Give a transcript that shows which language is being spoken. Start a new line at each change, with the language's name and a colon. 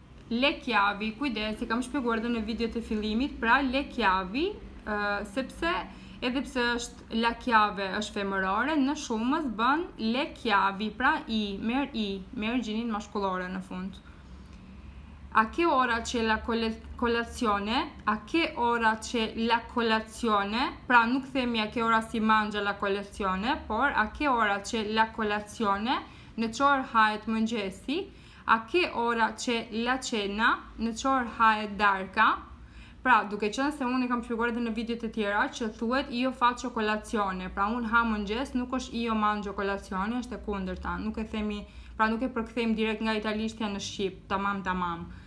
Albanian: Le chiavi, kujdes, i kam shpjeguar edhe në video të fillimit, pra le chiavi, sepse edhe pse është la chiave është femërore, në shumës bën le chiavi, pra i, merr gjinin maskullore në fund.
Italian: A che ora c'è la colazione? A che ora c'è la colazione?
Albanian: Pra nuk themi
Italian: a che ora si mangia la colazione,
Albanian: por
Italian: a che ora c'è la colazione?
Albanian: Në çfarë hahet mëngjesi?
Italian: A che ora c'è la cena?
Albanian: Në çfarë hahet darka? Pra, duke qenë se unë kam shpjeguar edhe në video të tjera që thuhet
Italian: io faccio colazione,
Albanian: pra un ha mëngjes, nuk është
Italian: io mangio colazione,
Albanian: është e kundërta. Nuk e themi, pra nuk e përkthejmë direkt nga italishtja në shqip, tamam tamam.